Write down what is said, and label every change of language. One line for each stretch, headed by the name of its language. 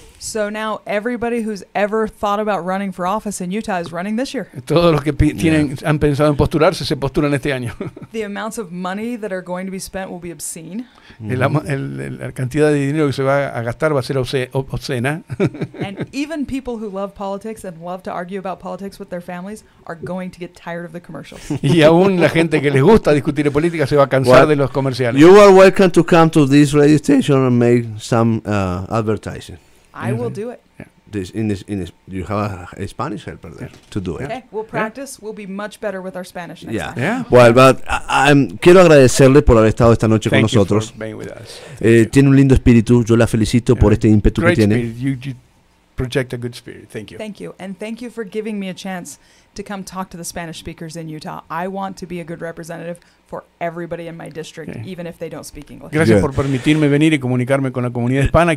English: So now everybody who's ever thought about running for office in Utah is running this year.
Spanish: Todos los que han pensado en postularse se postulan este año.
English: The amounts of money that are going to be spent will be obscene.
Spanish: La cantidad de dinero que se va a gastar va a ser obscena.
English: And even people who love politics and love to argue about politics with their families are going to get tired of the commercials.
Spanish: Y aún la gente que les gusta discutir de política se va a cansar de los comerciales.
English: You are welcome to come to this radio station and make some advertising. I will do it. Yeah. This, you have a Spanish helper there to do it. Okay, we'll practice. Yeah. We'll be much better with our Spanish next time. Yeah. Well, but
Spanish: quiero agradecerle por haber estado esta noche con nosotros.
English: Thank you for being with us.
Spanish: Tiene un lindo espíritu. Yo la felicito por este ímpetu que tiene.
English: Great spirit. You project a good spirit. Thank you. Thank you. And thank you for giving me a chance to come talk to the Spanish speakers in Utah. I want to be a good representative for everybody in my district, even if they don't speak English.
Spanish: Gracias por permitirme venir y comunicarme con la comunidad hispana.